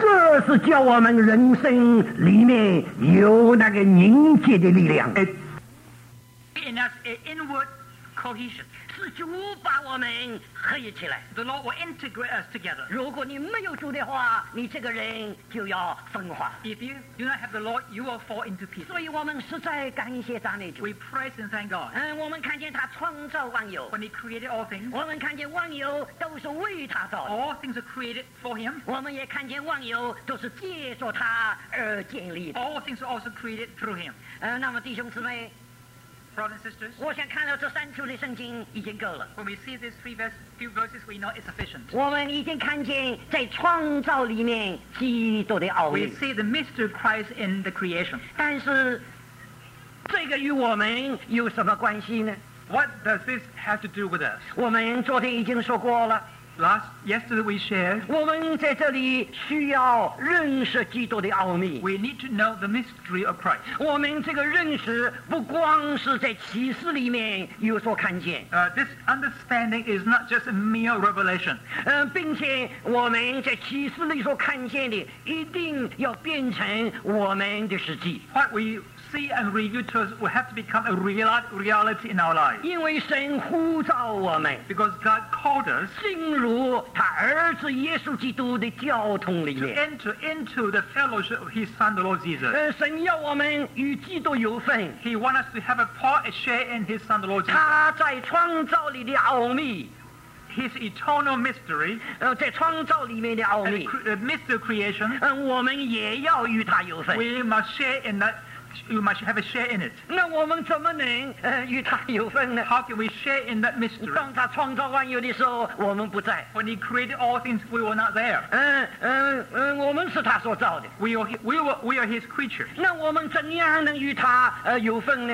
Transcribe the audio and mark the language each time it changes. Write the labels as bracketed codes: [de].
[zh] 这是叫我们人生里面有那个凝结的力量。 [en] It in us an inward cohesion. [zh] 是主把我们合一起来。 [en] The Lord will integrate us together. [zh] 如果你没有主的话，你这个人就要分化。 [en] If you do not have the Lord, you will fall into pieces. [zh] 所以我们实在感谢赞美主。 [en] We praise and thank God. [zh] 我们看见他创造万有。 [en] When he created all things. [zh] 我们看见万有都是为他造的。 [en] All things are created for him. [zh] 我们也看见万有都是借着他而建立的。 [en] All things are also created through him. [zh] 那么弟兄姊妹。 [en] Sisters, [zh] 我想看到这三处的圣经已经够了。 [en] When we see these three few verses, we know it's sufficient. [zh] 我们已经看见在创造里面基督的奥秘。 [en] We see the mystery of Christ in the creation. [zh] 但是，这个与我们有什么关系呢 [en] ？What does this have to do with us? [zh] 我们昨天已经说过了。 [en] Yesterday we shared. [zh] 我们在这里需要认识基督的奥秘。 [en] We need to know the mystery of Christ. [zh] 我们这个认识不光是在启示里面有所看见。 [en] This understanding is not just a mere revelation. [zh] 并且我们在启示里所看见的，一定要变成我们的实际。 [en] What we see and reveal to us will have to become a reality in our lives. [zh] 因为神呼召我们。 [en] Because God called us. [zh] 进入他儿子耶稣基督的教统里面 [en] to enter into the fellowship of his son the Lord Jesus [zh] 神要我们与基督有份 [en] he wants us to have a part a share in his son the Lord Jesus [zh] 他在创造里的奥秘 [en] his eternal mystery [zh] 在创造里面的奥秘 [en] the mystery of creation [zh] 我们也要与他有份 [en] we must share in that. You must have a share in it. [zh] 那我们怎么能与他有份呢 [en] ？How can we share in that mystery? [zh] 当他创造万有的时候，我们不在。 [en] When he created all things, we were not there. [zh] 我们是他所造的。 [en] We are his creature. [zh] 那我们怎样能与他有份呢